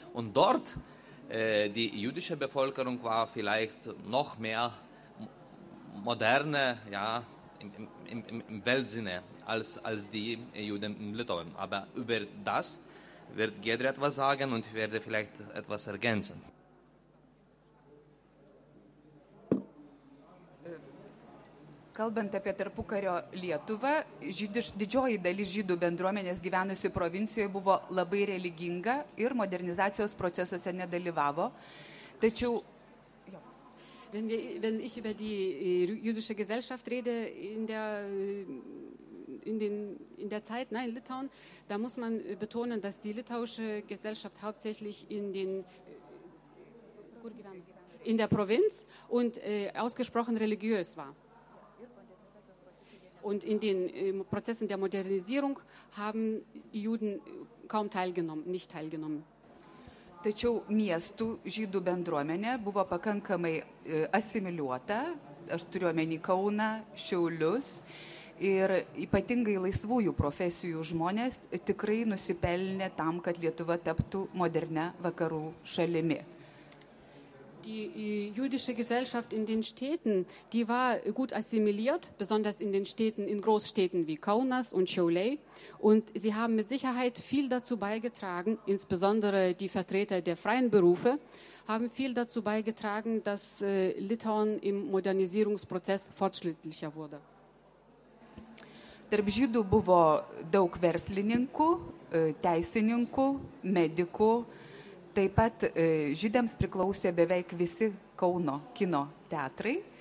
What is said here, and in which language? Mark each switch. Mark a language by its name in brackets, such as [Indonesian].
[German] Und dort die jüdische Bevölkerung war vielleicht noch mehr moderne, ja, im Weltsinne, als die Juden in Litauen. Aber über das wird Gedre etwas sagen und ich werde vielleicht etwas ergänzen. [Lithuanian] Kalbant apie tarpukario Lietuvą, didžioji dalis žydų bendruomenės gyvenusių provincijoje buvo labai religinga ir modernizacijos procesuose nedalyvavo. Tačiau [German] Wenn ich über die jüdische Gesellschaft rede in der Zeit, nein, in Litauen, da muss man betonen, dass die litauische Gesellschaft hauptsächlich in der Provinz und ausgesprochen religiös war. Und in den Prozessen der Modernisierung haben die Juden kaum teilgenommen, nicht teilgenommen. [Lithuanian] Tačiau miestų žydų bendruomenė buvo pakankamai asimiliuota, aš turiu omeny Kauną, Šiaulius, ir ypatingai laisvųjų profesijų žmonės tikrai nusipelnė tam, kad Lietuva taptų modernia vakarų šalimi. [German] Die jüdische Gesellschaft in den Städten, die war gut assimiliert, besonders in den Städten, in Großstädten wie Kaunas und Šiauliai. Und sie haben mit Sicherheit viel dazu beigetragen, insbesondere die Vertreter der freien Berufe, haben viel dazu beigetragen, dass Litauen im Modernisierungsprozess fortschrittlicher wurde. [Lithuanian] Tarp žydų buvo daug verslininkų, teisininkų, medikų. Taip pat žydams priklausė beveik visi Kauno kino teatrai.